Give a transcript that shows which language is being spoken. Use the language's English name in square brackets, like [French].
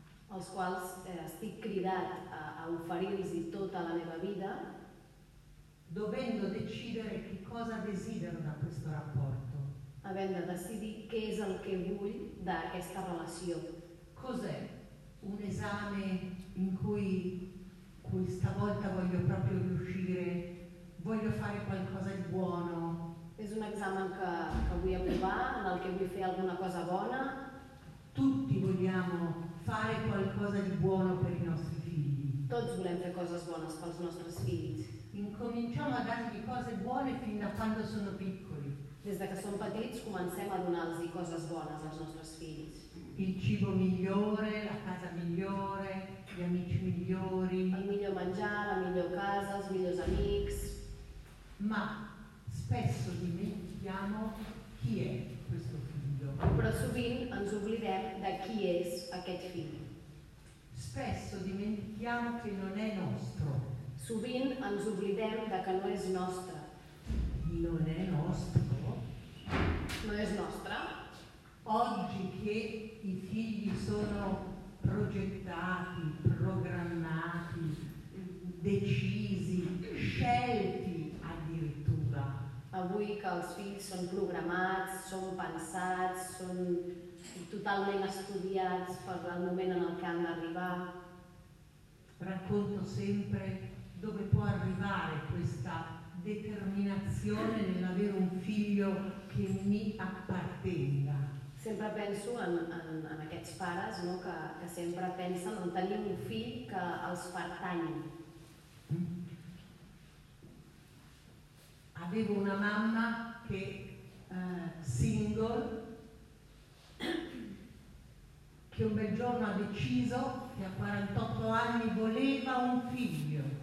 [Catalan] els quals estic cridat a oferir-los tota la meva vida, [Italian] dovendo decidere che cosa desidero da questo rapporto, [Catalan] havent de decidir què és el que vull d'aquesta relació. [Italian] Cos'è un esame in cui questa volta voglio proprio riuscire, voglio fare qualcosa di buono? [Catalan] És un examen que vull aprovar, en el que vull fer alguna cosa bona. [Italian] Tutti vogliamo fare qualcosa di buono per i nostri figli. [Catalan] Tots volem fer coses bones pels nostres fills. [Italian] Incominciamo a dargli cose buone fin da quando sono piccoli. [Catalan] Des de que són petits comencem a donar-los coses bones als nostres fills. [Italian] Il cibo migliore, la casa migliore, gli amici migliori. [Catalan] El millor menjar, la millor casa, els millors amics. [Italian] Ma spesso dimentichiamo chi è questo figlio. [Catalan] Però sovint ens oblidem de chi és aquest fill. [Italian] Spesso dimentichiamo che non è nostro. [Catalan] Sovint ens oblidem de que no és nostre. [Italian] Non è nostro? [Catalan] No és nostre? [Italian] Oggi che i figli sono progettati, programmati, decisi, scelti addirittura. [Catalan] Avui que els fills són programats, són pensats, són totalment estudiats per el moment en el que han d'arribar. [Italian] Racconto sempre dove può arrivare questa determinazione nell'avere un figlio che mi appartenga. [Catalan] Sempre penso en aquests pares, no? que sempre pensen en tenir un fill que els pertany. [Italian] Avevo una mamma che single, che un bel giorno ha deciso che a 48 anni voleva un figlio.